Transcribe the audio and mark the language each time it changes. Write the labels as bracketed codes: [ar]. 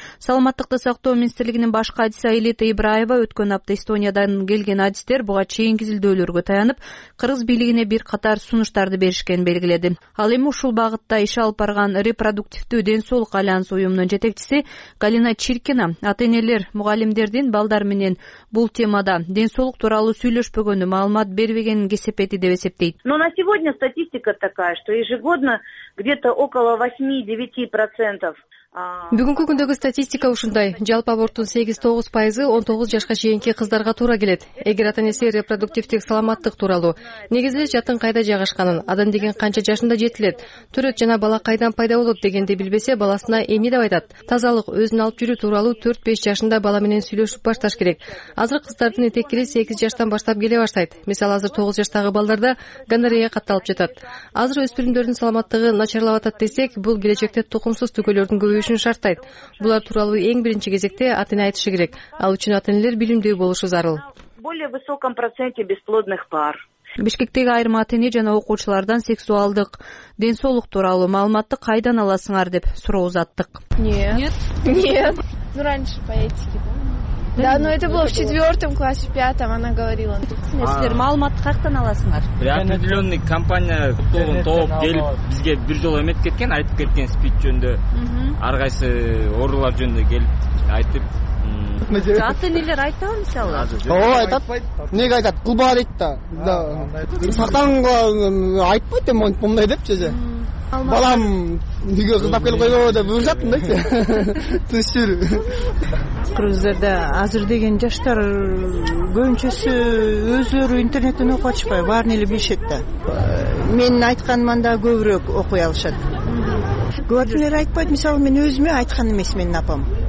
[ky] Саламаттыкты сактоо министрлигинин башкы адиси Айлита Ибраева өткөн апта Эстониядан келген адистер буга чейинки изилдөөлөргө таянып кыргыз бийлигине бир катар сунуштарды беришкенин белгиледи. Ал эми ушул багытта иш алып барган репродуктивдүү ден соолук альянсы уюмунун жетекчиси Галина Чиркина ата энелер мугалимдердин балдар менен бул темада ден соолук тууралуу сүйлөшпөгөнү маалымат бербегенин кесепети деп эсептейт. [ru] Но на сегодня статистика такая, что ежегодно где-то около 8-9% [ky] Бүгүнкү күндөгү статистика ушундай. Жалпы абортун 8-9 пайызы 19 жашка чейинки кыздарга туура келет. Эгер ата энеси репродуктивдик саламаттык тууралуу, негизи эле жатын кайда жайгашканын, адам деген канча жашында жетилет, төрөт жана бала кайдан пайда болот дегенди билбесе баласына эмне деп айтат? Тазалык, өзүн алып жүрүү тууралуу 4-5 жашында бала менен сүйлөшүп башташ керек. Азыр кыздардын этеккири 8 жаштан баштап келе баштайт. Мисалы, азыр 9 жаштагы балдарда гонорея катталып жатат. Азыр өспүрүмдөрдүн саламаттыгы начарлап атат десек, бул келечекте тукумсуз түгөйлөрдүн көбөйүшү шарттайт. Булар тууралуу эң биринчи кезекте ата-эне айтышы керек. Ал үчүн ата-энелер билимдүү болушу зарыл. [ru] Более высоком проценте бесплодных пар. [ky] Бишкектеги айрым ата-эне жана окуучулардан сексуалдык ден соолук тууралуу маалыматты кайдан аласыңар деп суроо узаттык. [ru] Нет. Нет. Ну раньше по этике, да? Да, но это было в 4-м классе, 5-м, она говорила. [ky] Силер, маалыматты кайдан аласыңар? [ru] Определённый компания [ky] куттугун тоуп келип, бизге бир жолу эмет кеткен, айтып кеткен спид жөнүндө. Ар кайсы оорулар жөнүндө келип айтып. Ата-энелер айтабы мисалы? Оо, айтат. Неге айтат? Кылба дейт да. Сактанганга айтпайт эми мындай депчи же. Балам үйгө кыздап келип койбобу деп буюшаттым да эчи. Тынч жүр. Кыргыздарда азыр деген жаштар көбүнчөсү өздөрү интернеттен окуп атышпайбы, баарын эле билишет да. Менин айтканыман дагы көбүрөөк окуй алышат. Көбүнчөсү айтпайт, мисалы мен өзүмө айткан эмес менин апам.